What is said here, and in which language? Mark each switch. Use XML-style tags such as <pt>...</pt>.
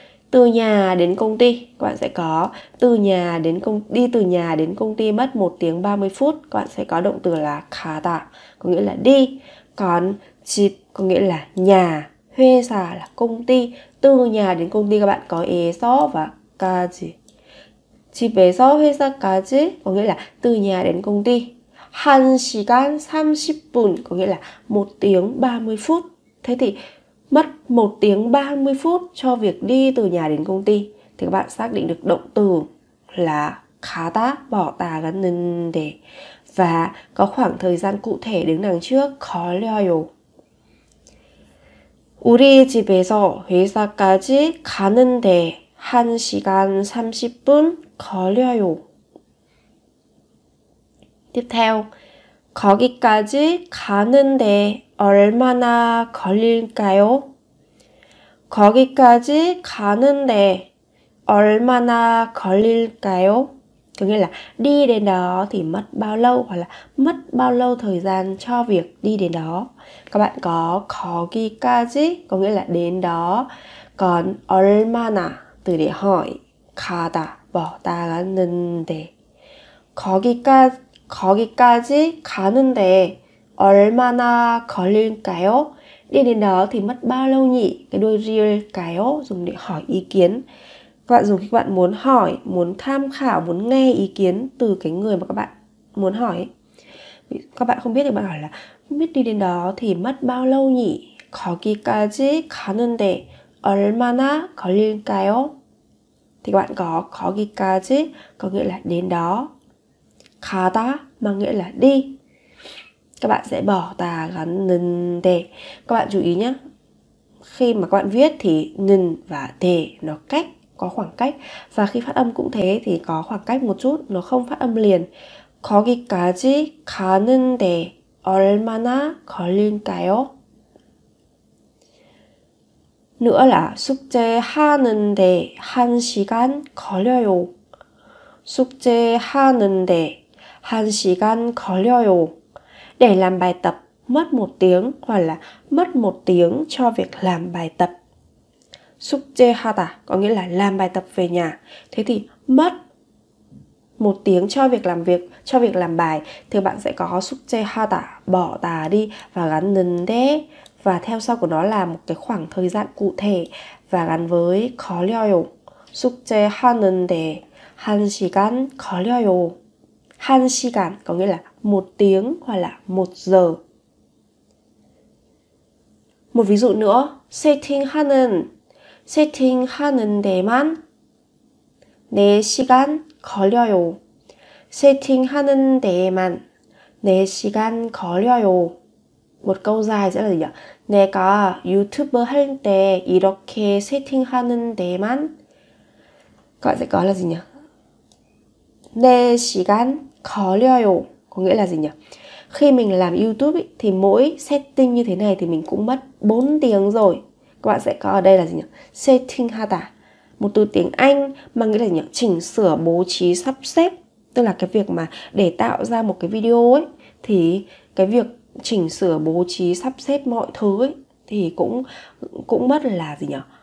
<vi>Từ nhà đến công ty, các bạn sẽ có từ nhà đến công đi từ nhà đến công ty mất 1 tiếng 30 phút, các bạn sẽ có động từ là 가다, có nghĩa là đi. Còn 집 có nghĩa là nhà, 회사 là công ty. Từ nhà đến công ty các bạn có 에서 và 까지.</vi> <ko>집에서 회사까지</ko> <vi>có nghĩa là từ nhà đến công ty.</vi> <ko>1시간 30분</ko> <vi>có nghĩa là 1 tiếng 30 phút. Thế thì mất 1 tiếng 30 phút cho việc đi từ nhà đến công ty. thì các bạn xác định được động từ là khá tá, bỏ tà gắn nên để, và có khoảng thời gian cụ thể đứng đằng trước khó leo yếu.</vi> <ko>우리 집에서 회사까지 가는데 1시간 30분 걸려요.</ko> <vi>Tiếp theo,</vi> <ko>거기까지 가는데 얼마나 걸릴까요? 거기까지 가는데 얼마나 걸릴까요?</ko> <vi>Có nghĩa là đi đến đó thì mất bao lâu, hoặc là mất bao lâu thời gian cho việc đi đến đó. Các bạn có 거기까지 có nghĩa là đến đó, còn 얼마나 từ để hỏi, 가다 bỏ ta gắn để</vi> <ko>거기까지 가는데 얼마나 걸릴까요?</ko> <vi>Đi đến đó thì mất bao lâu nhỉ? Cái đuôi 걸릴까요 dùng để hỏi ý kiến. Các bạn dùng khi các bạn muốn hỏi, muốn tham khảo, muốn nghe ý kiến từ cái người mà các bạn muốn hỏi. Các bạn không biết thì bạn hỏi là không biết đi đến đó thì mất bao lâu nhỉ?</vi> <ko>거기까지 가는데 얼마나 걸릴까요?</ko> <vi>Thì các bạn có 거기까지 có nghĩa là đến đó, 가다 mà nghĩa là đi. Các bạn sẽ bỏ tà gắn 는데. Các bạn chú ý nhé, khi mà các bạn viết thì 는 và 데 nó cách, có khoảng cách, và khi phát âm cũng thế thì có khoảng cách một chút, nó không phát âm liền.</vi> <ko>거기까지 가는데 얼마나 걸릴까요?</ko> <vi>Nữa là</vi> <ko>숙제하는데 한 시간 걸려요. 숙제하는데 한 시간 걸려요.</ko> <vi>Để làm bài tập mất một tiếng, hoặc là mất một tiếng cho việc làm bài tập. 숙제하다 có nghĩa là làm bài tập về nhà. Thế thì mất một tiếng cho việc làm việc, cho việc làm bài, thì bạn sẽ có 숙제하다, bỏ tà đi, và gắn 는데, và theo sau của nó là một cái khoảng thời gian cụ thể, và gắn với 걸려요.</vi> <ko>숙제하는데 한 시간 걸려요.</ko> <vi>한 시간 có nghĩa là một tiếng hoặc là một giờ. Một ví dụ nữa,</vi> <ko>세팅하는 세팅하는데만 네 시간 걸려요. 세팅하는데만 네 시간 걸려요.</ko> <vi>Một câu dài sẽ là gì ạ?</vi> <ko>내가 유튜브 할 때 이렇게 세팅하는데만.</ko> <vi>Các bạn sẽ có là gì nhỉ?</vi> <ko>네 시간 걸려요</ko> <vi>có nghĩa là gì nhỉ? Khi mình làm YouTube ý, thì mỗi setting như thế này thì mình cũng mất 4 tiếng rồi. Các bạn sẽ có ở đây là gì nhỉ? Setting hata, một từ tiếng Anh mà nghĩa là gì nhỉ? Chỉnh sửa, bố trí, sắp xếp. Tức là cái việc mà để tạo ra một cái video ấy, thì cái việc chỉnh sửa, bố trí, sắp xếp mọi thứ ấy, thì cũng mất là gì nhỉ?</vi>